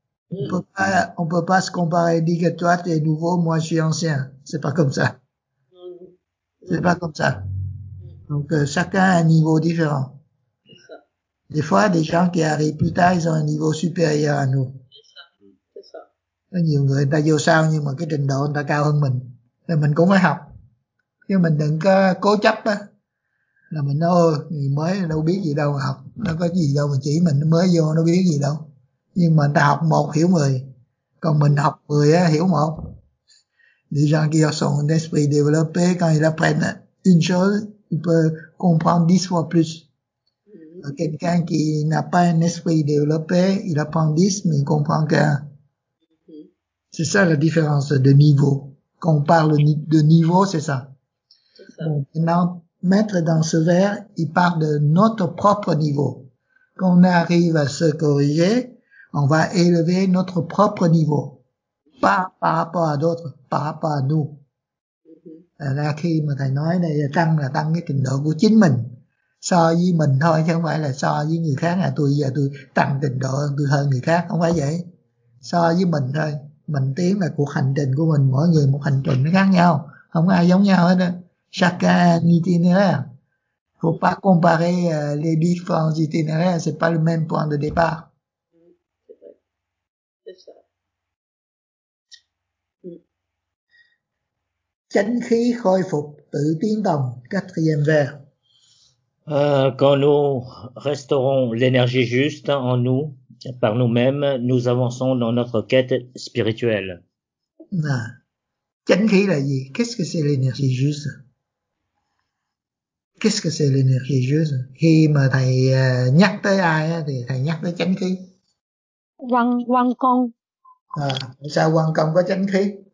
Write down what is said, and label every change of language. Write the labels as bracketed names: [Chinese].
[French] On peut pas se comparer, dire que toi tu es nouveau, moi je suis ancien. C'est pas comme ça. C'est pas comme ça. Donc chacun a un niveau différent. Des fois, des gens qui arrivent plus tard, ils ont un niveau supérieur à nous. C'est ça. [Vietnamese] Nhiều người ta vô sau nhưng mà cái trình độ người ta cao hơn mình. Thì mình cũng phải học. Chứ mình đừng có cố chấp á. Là mình nói, ôi, người mới đâu biết gì đâu mà học. Nó có gì đâu mà chỉ mình mới vô, nó biết gì đâu. Nhưng mà người ta học một, hiểu 10. Còn mình học 10 á, hiểu 1. [French] Les gens qui sont un esprit développé, quand ils apprennent une chose, ils peuvent comprendre 10 fois plus. Quelqu'un qui n'a pas un esprit développé, il apprend 10, mais il comprend qu'un. C'est ça la différence de niveau. Quand on parle de niveau, c'est ça. C'est ça. Maintenant, mettre dans ce verre, il parle de notre propre niveau. Quand on arrive à se corriger, on va élever notre propre niveau. Pas par rapport à d'autres, par rapport à nous. [Vietnamese] Là khi mà thầy nói là tăng cái trình độ của chính mình. So với mình thôi, chứ không phải là so với người khác. À, tôi giờ tôi tăng trình độ, tôi hơn người khác, không phải vậy. So với mình thôi, mình tiến là cuộc hành trình của mình, mỗi người một hành trình nó khác nhau, không ai giống nhau hết. [French] Chaque itinéraire, faut pas comparer les différents itinéraires, c'est pas le même point de départ. C'est vrai, c'est ça. Mm. [Vietnamese] Chánh khí khôi phục tự tiến đồng, [French] quatrième vers. Quand nous restaurons l'énergie juste en nous, par nous-mêmes, nous avançons dans notre quête spirituelle. [Vietnamese] Chánh khí là gì? [French] Qu'est-ce que c'est l'énergie juste? Qu'est-ce que c'est l'énergie juste? [Vietnamese] Khi mà thầy nhắc tới ai thì thầy nhắc tới chánh khí. Quang công. Sao quang công có chánh khí?